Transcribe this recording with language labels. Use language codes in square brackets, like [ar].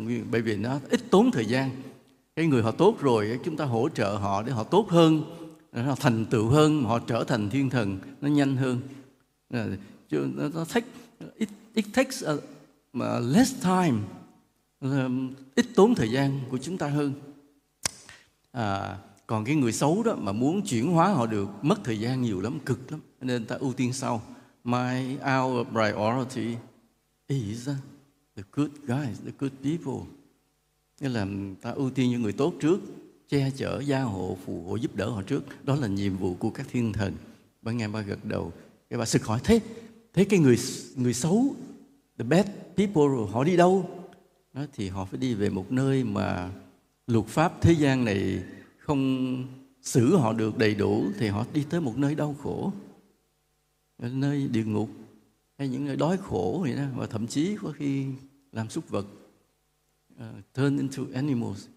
[vi] Bởi vì nó ít tốn thời gian. Cái người họ tốt rồi, chúng ta hỗ trợ họ để họ tốt hơn, họ thành tựu hơn, họ trở thành thiên thần, nó nhanh hơn. Nó [en] it takes less time, [vi] ít tốn thời gian của chúng ta hơn. À, còn cái người xấu đó mà muốn chuyển hóa họ được, mất thời gian nhiều lắm, cực lắm. Nên ta ưu tiên sau. [en] My, our priority is the good guys, the good people. [vi] Nghĩa là ta ưu tiên những người tốt trước, che chở, gia hộ, phù hộ, giúp đỡ họ trước. Đó là nhiệm vụ của các thiên thần. Bà nghe bà gật đầu. Cái bà sực hỏi, thế cái người xấu, [en] the bad people, [vi] họ đi đâu? Đó, thì họ phải đi về một nơi mà luật pháp thế gian này không xử họ được đầy đủ, thì họ đi tới một nơi đau khổ, nơi địa ngục hay những nơi đói khổ vậy đó, và thậm chí có khi làm súc vật, [en] turn into animals.